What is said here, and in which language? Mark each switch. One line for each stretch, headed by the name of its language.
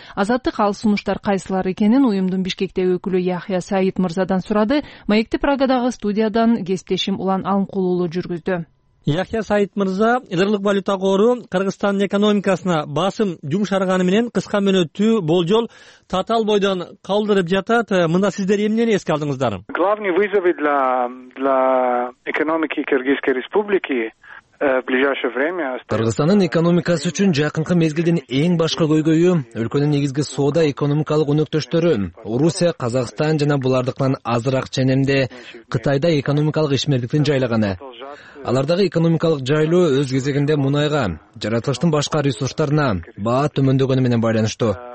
Kyrgyz: Азаттык ал сунуштар кайсылар экенин уюмдун Бишкектеги өкүлү Яхья Саид мырзадан сурады. Маекти Прагадагы студиядан кесиптешим Улан Алымкулуулу жүргүздү. Яхья Саид мырза, эл аралык валюта кору Кыргызстандын экономикасына басым жумшарганы менен кыска мөөнөттүү болжол татаал бойдон калдырып жатат. Мында сиздер эмнени эске алдыңыздар?
Russian: Главные вызовы для экономики Кыргызской республики
Kyrgyz: Кыргызстандын экономикасы үчүн жакынкы мезгилдин эң башкы көйгөйү өлкөнүн негизги соода экономикалык өнөктөштөрү Орусия, Казакстан жана булардыктан азыраак ченемде Кытайда экономикалык ишмердиктин жайлаганы. Алардагы экономикалык жайлоо өз кезегинде мунайга, жаратылыштын башка ресурстарына баа төмөндөгөнү менен байланыштуу.